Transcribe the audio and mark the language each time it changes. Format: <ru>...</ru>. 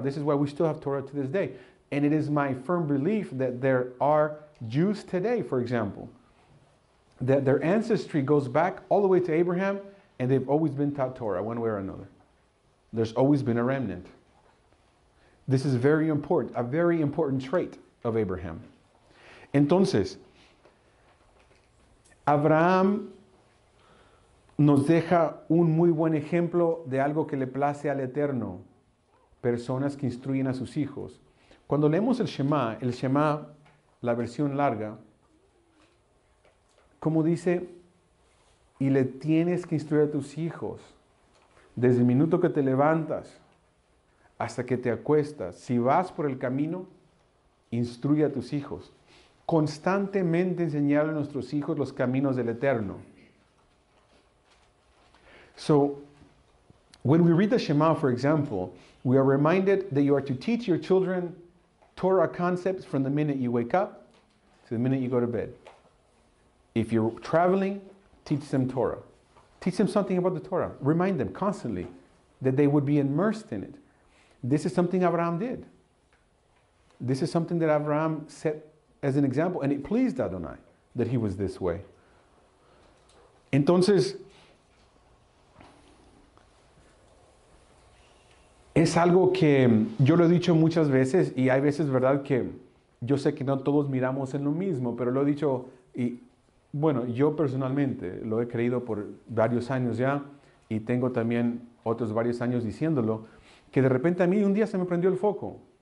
<en>This is why we still have Torah to this day. And it is my firm belief that there are Jews today, for example, their ancestry goes back all the way to Abraham, and they've always been taught Torah one way or another. There's always been a remnant. This is very important, a very important trait of Abraham.</en> <es>Entonces, Abraham nos deja un muy buen ejemplo de algo que le place al Eterno. Personas que instruyen a sus hijos. Cuando leemos el Shema, la versión larga, como dice, y le tienes que instruir a tus hijos, desde el minuto que te levantas hasta que te acuestas, si vas por el camino, instruye a tus hijos. Constantemente enseñar a nuestros hijos los caminos del Eterno.</es> <en>So, when we read the Shema, for example, we are reminded that you are to teach your children Torah concepts from the minute you wake up to the minute you go to bed. If you're traveling, teach them Torah. Teach them something about the Torah. Remind them constantly that they would be immersed in it. This is something Abraham did. This is something that Abraham set as an example, and it pleased Adonai that he was this way.</en> <es>Entonces, es algo que yo lo he dicho muchas veces, y hay veces, ¿verdad?, que yo sé que no todos miramos en lo mismo, pero lo he dicho, y bueno, yo personalmente lo he creído por varios años ya, y tengo también otros varios años diciéndolo, que de repente a mí un día se me prendió el foco.</es>